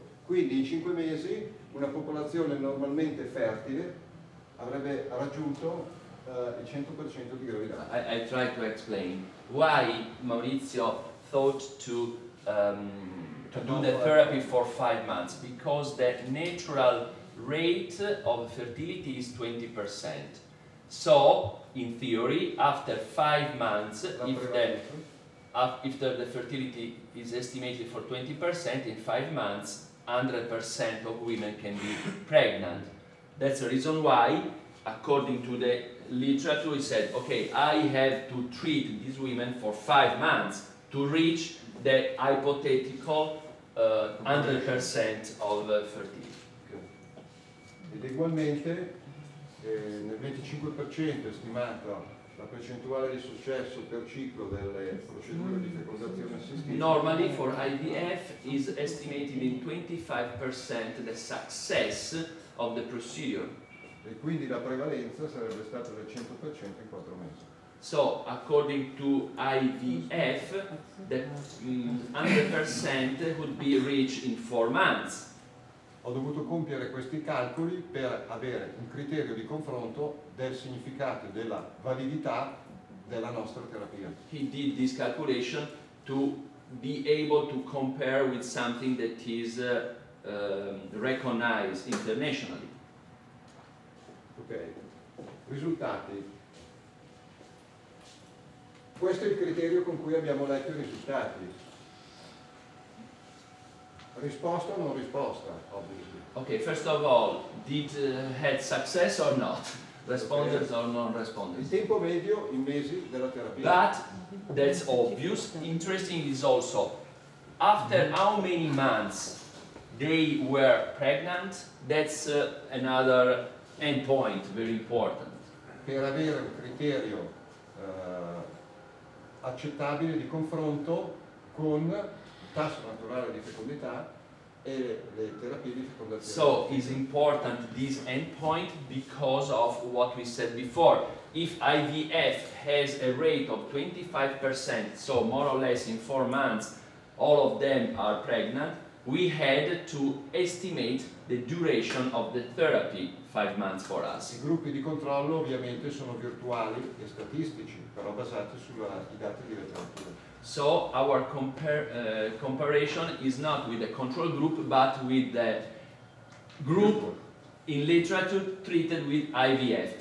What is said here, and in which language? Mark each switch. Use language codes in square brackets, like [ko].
[it] Quindi in 5 mesi una popolazione normalmente fertile avrebbe raggiunto il 100% di gravidanza. [en] I try to explain why Maurizio thought to do the therapy for 5 months, because the natural rate of fertility is 20%. So in theory, after 5 months, if the fertility is estimated for 20%, in 5 months, 100% of women can be pregnant. That's the reason why, according to the literature, he said, okay, I have to treat these women for 5 months to reach the hypothetical 100% of fertility. [it] Ed ugualmente nel 25% è stimata la percentuale di successo per ciclo delle procedure di fecondazione assistita. [en] Normally for IVF is estimated in 25% the success of the procedure. [it] E quindi la prevalenza sarebbe stata del 100% in 4 mesi. [en] So according to IVF the 100% would be reached in 4 months. [it] Ho dovuto compiere questi calcoli per avere un criterio di confronto del significato e della validità della nostra terapia. [en] He did this calculation to be able to compare with something that is recognized internationally. [it] Ok, risultati. Questo è il criterio con cui abbiamo letto i risultati. Risposta o non risposta, ovviamente. [en] Okay, first of all, did had success or not? Responders okay. Or non-responders? [it] Il tempo medio in mesi della terapia. [en] But that's obvious. Interesting is also, after how many months they were pregnant, that's another endpoint, very important. [it] Per avere un criterio accettabile di confronto con tasso naturale di fecondità e le terapie di fecondazione. [en] So it's important this endpoint because of what we said before. If IVF has a rate of 25%, so more or less in 4 months all of them are pregnant, we had to estimate the duration of the therapy 5 months for us. [it] I gruppi di controllo ovviamente sono virtuali e statistici, però basati sui dati di letteratura. [en] So our comparison is not with the control group, but with the group in literature treated with IVF.